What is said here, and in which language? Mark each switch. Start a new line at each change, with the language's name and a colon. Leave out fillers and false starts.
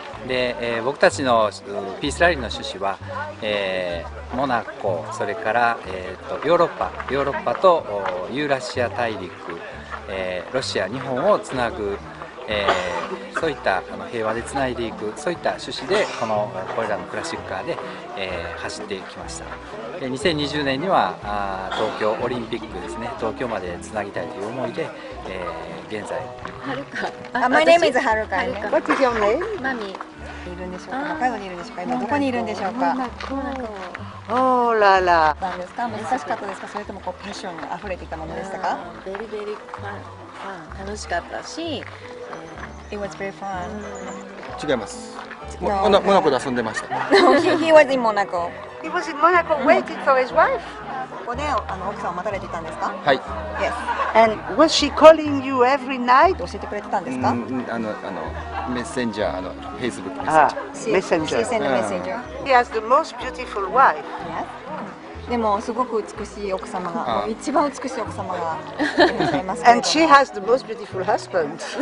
Japanese: で、僕たちのピースラリーの趣旨は、モナコ、それから、ヨーロッパとユーラシア大陸、ロシア、日本をつなぐそういった平和でつないでいく、そういった趣旨でこれらのクラシックカーで、走ってきました。で2020年には東京オリンピックですね、東京までつなぎたいという思いで、現在
English: はるか、 My name is Haruka. What is your name?
Japanese: マミいるんでしょうか、北海道にいるんでしょうか、今どこにいるんでしょうか。おーらら、何ですか、難しかったですか、それともこうパッションが溢れていたものでしたか。ベリベリファン、楽しかったし、
English: It was very fun.
Japanese: 違います。モナコで遊んでました。
English: He was in Monaco. He was in Monaco waiting for his wife.
Japanese: ここで奥さんを待たれていたんですか。はい。
English: Yes. And was she calling you every night?
Japanese: 教えてくれてたんですか。メッセンジャー、Facebook メッセンジャー。メッセンジャー。
English: She sent a messenger. He has the most beautiful wife. Yes.
Japanese: でもすごく美しい奥様が、一番美しい奥様がいます。
English: And she has the most beautiful husband.